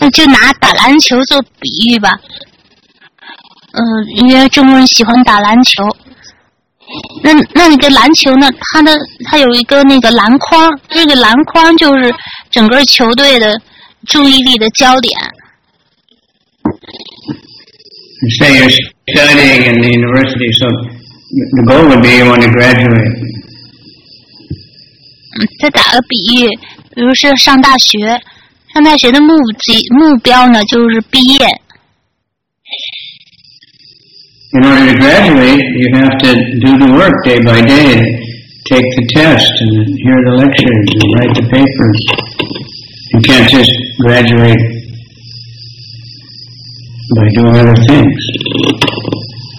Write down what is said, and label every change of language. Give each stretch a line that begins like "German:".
Chinese: 那就拿打篮球做比喻吧。因为中国人喜欢打篮球。那个篮球呢,它有一个那个篮筐, 这个篮筐就是整个球队的注意力的焦点。
English: You say you're studying in the university, so the goal would be you want to graduate.
Chinese: 再打个比喻,比如是上大学,上大学的目标呢,就是毕业。
English: In order to graduate, you have to do the work day by day, take the test, and hear the lectures, and write the papers. You can't just graduate by doing other things.